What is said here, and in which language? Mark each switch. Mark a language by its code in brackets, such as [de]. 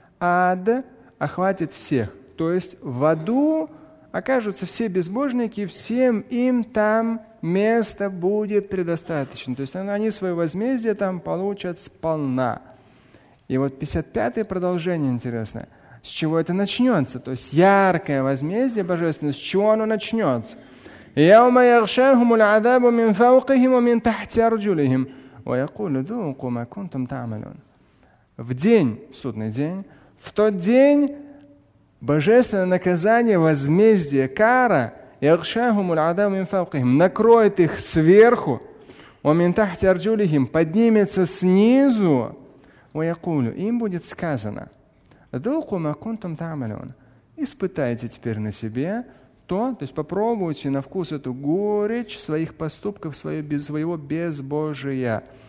[ru] Ад охватит всех. То есть в аду окажутся все безбожники, всем им там места будет предостаточно. То есть они свое возмездие там получат сполна. И вот 55-е продолжение интересное. С чего это начнется? То есть яркое возмездие божественное, с чего оно начнется? [ar] يوم يغشاهم العذاب من فوقهم ومن تحت أرجلهم ويقول ذوقوا ما كنتم تعملون. [ru] В день, судный день, в тот день божественное наказание, возмездие, кара, [ar] يغشاهم العذاب من فوقهم, [ru] накроет их сверху, [ar] ومن تحت أرجلهم, [ru] поднимется снизу, [ar] ويقول, [ru] им будет сказано, [ar] ذوقوا ما كنتم تعملون, [ru] испытайте теперь на себе то есть попробуйте на вкус эту горечь своих поступков, своего безбожия.